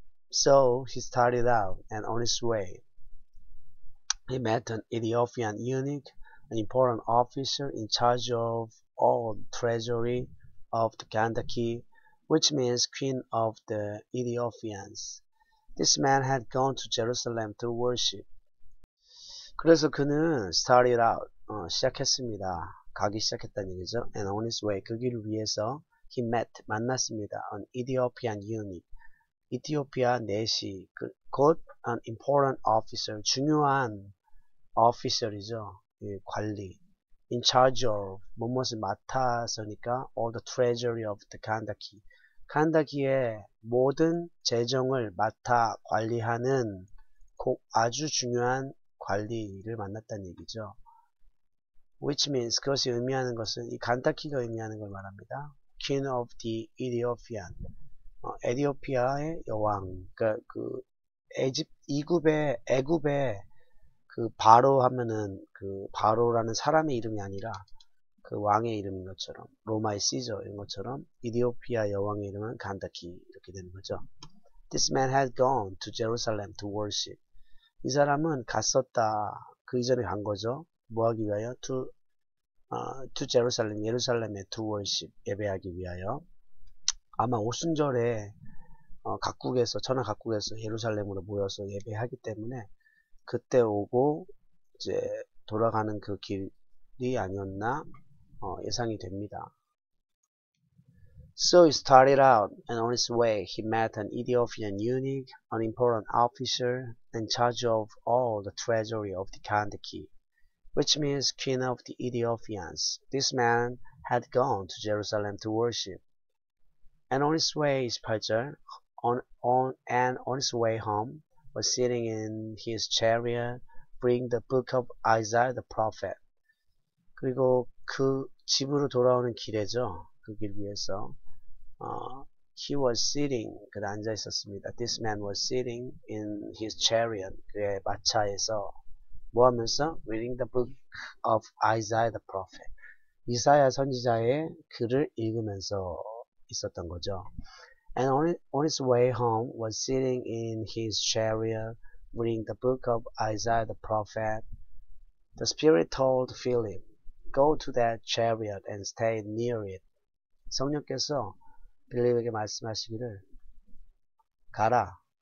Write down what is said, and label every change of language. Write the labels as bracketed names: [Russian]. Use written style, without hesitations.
[English] So he started out, and on his way, he met an Ethiopian eunuch, an important officer in charge of all treasury of the Kandaki, which means queen of the Ethiopians. This man had gone to Jerusalem to worship. [Korean] 그래서 그는 [English] started out, [Korean] 시작했습니다. 가기 시작했다는 얘기죠. [English] And on his way, [Korean] 그 길을 위해서 [English] he met, [Korean] 만났습니다. [English] An Ethiopian eunuch, [Korean] 이티오피아 내시, 곧 [English] an important officer, [Korean] 중요한 officer이죠. 관리. [English] In charge of, [Korean] 무엇을 맡아서니까 [English] all the treasury of the Kandaki. [Korean] 칸다키의 모든 재정을 맡아 관리하는 아주 중요한 관리를 만났다는 얘기죠. [English] Which means [Korean] 그것이 의미하는 것은 이 간타키가 의미하는 걸 말합니다. [English] King of the Ethiopian. [Korean] 에티오피아의 여왕. 그러니까 그 애굽의 그 바로 하면은 그 바로라는 사람의 이름이 아니라 그 왕의 이름인 것처럼 로마의 시저 이런 것처럼 이디오피아 여왕의 이름은 간다키 이렇게 되는 거죠. [English] This man had gone to Jerusalem to worship. [Korean] 이 사람은 갔었다. 그 이전에 간 거죠. 뭐 하기 위하여? [English] To Jerusalem, [Korean] 예루살렘에 [English] to worship [Korean] 예배하기 위하여. 아마 오순절에 각국에서 천하 각국에서 예루살렘으로 모여서 예배하기 때문에 그때 오고 이제 돌아가는 그 길이 아니었나 예상이 됩니다. [English] So he started out, and on his way, he met an Ethiopian eunuch, an important officer in charge of all the treasury of the Kandaki, which means king of the Ethiopians. This man had gone to Jerusalem to worship. And on his way, his pastor, on his way home, was sitting in his chariot, bringing the book of Isaiah the prophet. [Korean] 그리고 그 집으로 돌아오는 길에죠. 그길 위에서. [English] He was sitting, [Korean] 그 앉아 있었습니다. [English] This man was sitting in his chariot, [Korean] 그의 마차에서. 뭐 하면서? [English] Reading the book of Isaiah the prophet. [Korean] 이사야 선지자의 글을 읽으면서 있었던 거죠. [English] And on his way home was sitting in his chariot, reading the book of Isaiah the prophet. The Spirit told Philip, Go to that chariot and stay near it. [Korean] 성령께서 빌립에게 말씀하시기를, 가라.